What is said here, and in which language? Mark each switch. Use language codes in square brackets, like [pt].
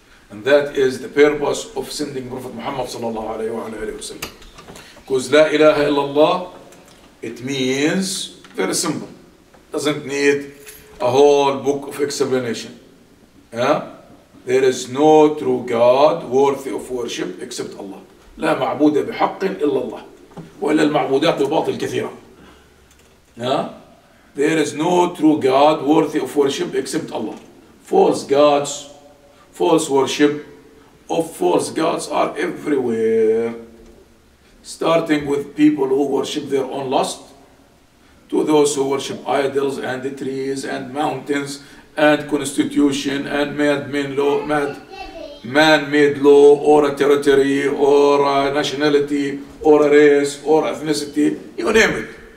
[en] And that is the purpose of sending Prophet Muhammad sallallahu alayhi wa alayhi wa sallam. Because la ilaha illallah, it means very simple. Doesn't need a whole book of explanation. There is no true God worthy of worship except Allah. [ar] لا معبود بحق إلا الله وإلا المعبودات بباطل كثيرة. [en] There is no true God worthy of worship except Allah. False gods, false worship of false gods are everywhere. Starting with people who worship their own lust, to those who worship idols and the trees and mountains and constitution and man-made law or a territory or a nationality or a race or ethnicity, you name it.